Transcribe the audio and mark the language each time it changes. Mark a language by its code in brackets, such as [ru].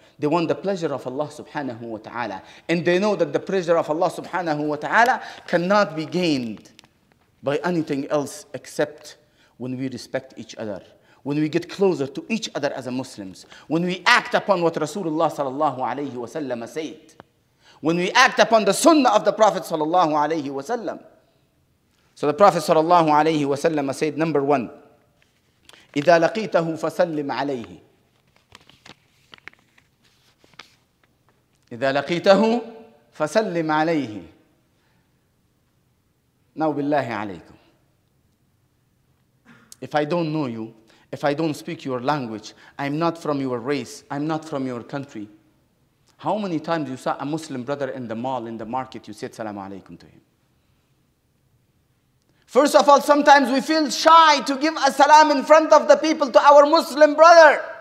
[en] They want the pleasure of Allah subhanahu wa ta'ala. And they know that the pleasure of Allah subhanahu wa ta'ala cannot be gained by anything else except when we respect each other, when we get closer to each other as a Muslims, when we act upon what Rasulullah sallallahu alayhi wa sallam said, when we act upon the sunnah of the Prophet sallallahu alayhi wa sallam. So the Prophet sallallahu alayhi wa sallam said, number one, [ar] إِذَا لَقِيْتَهُ فَسَلِّمْ عَلَيْهِ إِذَا لَقِيْتَهُ فَسَلِّمْ عَلَيْهِ نَوْ بِاللَّهِ عَلَيْكُمْ. [en] If I don't know you, if I don't speak your language, I'm not from your race, I'm not from your country. How many times you saw a Muslim brother in the mall, in the market, you said salamu alaykum to him? First of all, sometimes we feel shy to give a salam in front of the people to our Muslim brother.